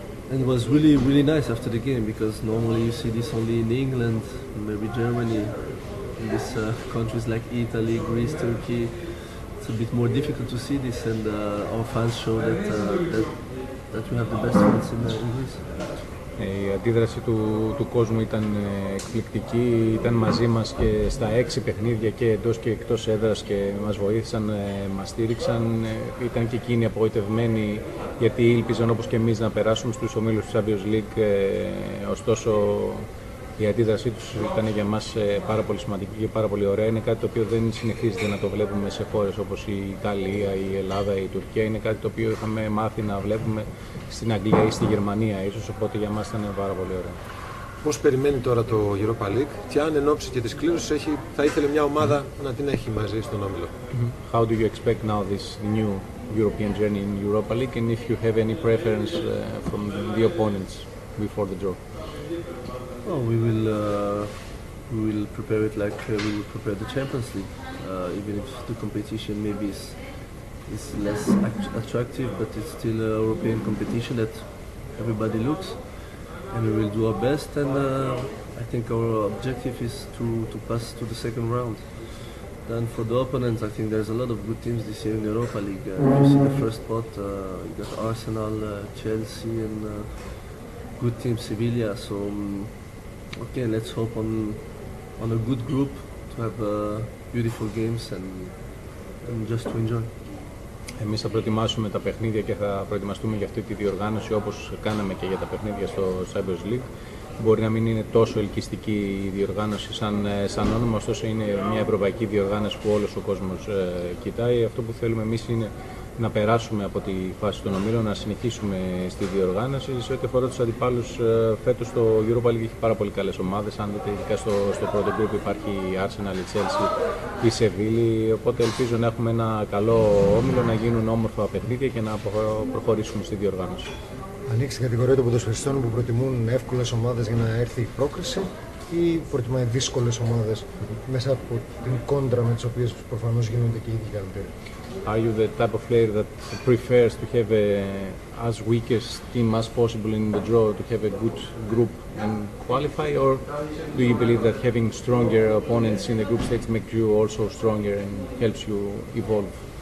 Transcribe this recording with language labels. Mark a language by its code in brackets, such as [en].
[en] And it was really, really nice after the game, because normally you see this only in England, maybe Germany, in these countries like Italy, Greece, Turkey. It's a bit more difficult to see this, and our fans show that we have the best fans in Greece. [el] Η αντίδραση του κόσμου ήταν εκπληκτική, ήταν μαζί μας και στα 6 παιχνίδια και εντός και εκτός έδρας και μας βοήθησαν, μας στήριξαν. Ήταν και εκείνοι απογοητευμένοι γιατί ήλπιζαν όπως και εμείς να περάσουν στους ομίλους του Champions League. Ωστόσο η αντίδρασή τους ήταν για μας πάρα πολύ σημαντική και πάρα πολύ ωραία. Είναι κάτι το οποίο δεν συνεχίζεται να το βλέπουμε σε χώρες όπως η Ιταλία, η Ελλάδα, η Τουρκία. Είναι κάτι το οποίο είχαμε μάθει να βλέπουμε στην Αγγλία ή στη Γερμανία ίσως, οπότε για μας ήταν πάρα πολύ ωραία. Πώς περιμένει τώρα το Europa League και αν εν όψει και της κλήρωσης θα ήθελε μια ομάδα να την έχει μαζί στον όμιλο. [en] How do you expect now this new European journey in Europa League and if you have any preference from the opponents before the draw? Well, we will prepare it like we will prepare the Champions League. Even if the competition maybe is less attractive, but it's still a European competition that everybody looks, and we will do our best. And I think our objective is to pass to the second round. Then for the opponents, I think there's a lot of good teams this year in the Europa League. You see the first spot, you got Arsenal, Chelsea, and good team Sevilla. So okay, let's hope on a good group to have beautiful games and just to enjoy. [el] Εμείς θα προετοιμάσουμε τα παιχνίδια και θα προετοιμαστούμε για αυτή τη διοργάνωση όπως κάναμε και για τα παιχνίδια στο Champions League. Μπορεί να μην είναι τόσο ελκυστική η διοργάνωση σαν όνομα, ωστόσο είναι μια ευρωπαϊκή διοργάνωση που όλος ο κόσμος κοιτάει. Αυτό που θέλουμε εμείς είναι να περάσουμε από τη φάση των ομίλων, να συνεχίσουμε στη διοργάνωση. Σε ό,τι αφορά τους αντιπάλους, φέτος το Europa League έχει πάρα πολύ καλές ομάδες. Αν δείτε, ειδικά στο πρώτο γκρουπ υπάρχει η Arsenal, η Chelsea, η Sevilla. Οπότε ελπίζω να έχουμε ένα καλό όμιλο, να γίνουν όμορφα παιχνίδια και να προχωρήσουμε στη διοργάνωση. Ανοίξει η κατηγορία των ποδοσφαιριστών που προτιμούν εύκολες ομάδες για να έρθει η πρόκριση ή προτιμάει δύσκολες ομάδες μέσα από την κόντρα με τις οποίες προφανώς γίνονται και οι διαλυτήρες. [en] Are you the type of player that prefers to have as weakest team as possible in the draw to have a good group and qualify, or do you believe that having stronger opponents in the group stage makes you also stronger and helps you evolve?